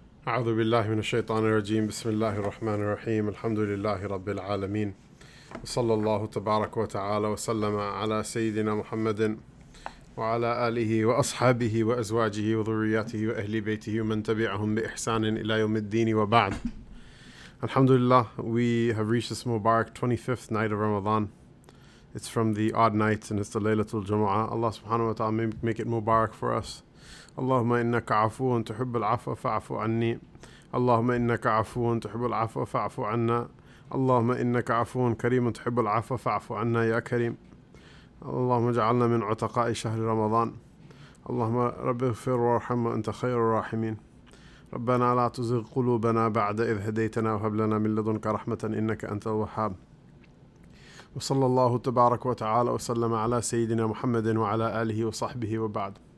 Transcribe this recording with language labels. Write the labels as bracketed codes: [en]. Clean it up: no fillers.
[ar] أعوذ بالله من الشيطان الرجيم بسم الله الرحمن الرحيم الحمد لله رب العالمين صلى الله تبارك وتعالى وسلم على سيدنا محمد وعلى آله وأصحابه وأزواجه وذرياته وأهل بيته ومن تبعهم بإحسان إلى يوم الدين وبعد الحمد لله. [en] We have reached this Mubarak 25th night of Ramadan. It's from the odd nights and it's the Laylatul Jumu'ah. Allah subhanahu wa ta'ala make it Mubarak for us. [ar] اللهم إنك عفو تحب العفو فاعفو عني اللهم إنك عفو تحب العفو فاعفو عنا اللهم إنك عفو كريم تحب العفو فاعفو عنا يا كريم اللهم اجعلنا من عتقاء شهر رمضان اللهم رب اغفر وارحم أنت خير الراحمين ربنا لا تزغ قلوبنا بعد إذ هديتنا وهب لنا من لدنك رحمة إنك أنت الوهاب وصلى الله تبارك وتعالى وسلم على سيدنا محمد وعلى آله وصحبه وبعد.